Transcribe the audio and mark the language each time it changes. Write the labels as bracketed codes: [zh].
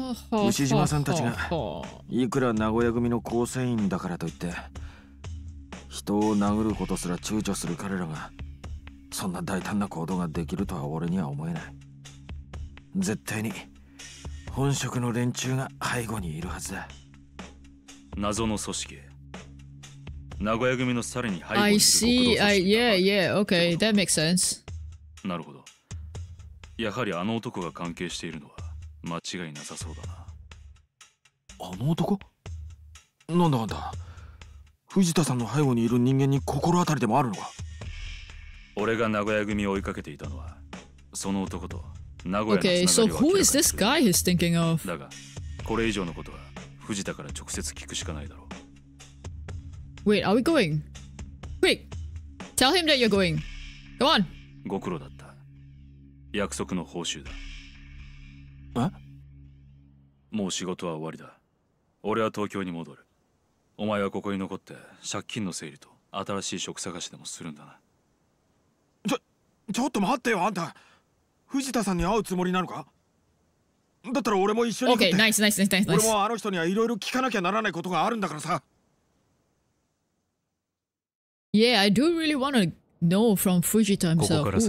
[ja] 牛島さんたちがいくら名古屋組の構成員だからといって人を殴ることすら躊躇する彼らがそんな大胆な行動ができるとは俺には思えない。絶対に本職の連中が背後にいるはずだ。謎の組織、名古屋組のさらに背後にいる極道組織だ。 [en] I see, yeah, yeah, okay, that makes sense. [ja] なるほど。やはりあの男が関係しているのは間違いなさそうだな。あの男？なんだなんだ、藤田さんの背後にいる人間に心当たりでもあるのか。俺が名古屋組を追いかけていたのはその男と。 [en] Okay, so who is this guy he's thinking of? [ja] だが、これ以上のことは藤田から直接聞くしかないだろう。 [en] Wait, are we going? Quick! Tell him that you're going! Come on! [ja] ご苦労だった。約束の報酬だ。え？もう仕事は終わりだ。俺は東京に戻る。お前はここに残って借金の整理と新しい職探しでもするんだな。ちょっと待ってよ、あんた。藤田さんに会うつもりなのか？だったら俺も一緒に行くって。 [en] Okay, nice, nice, nice, nice, nice. [ja] 俺もあの人にはいろいろ聞かなきゃならないことがあるんだからさ。 [en] Yeah, I do really want to know from Fujita himself.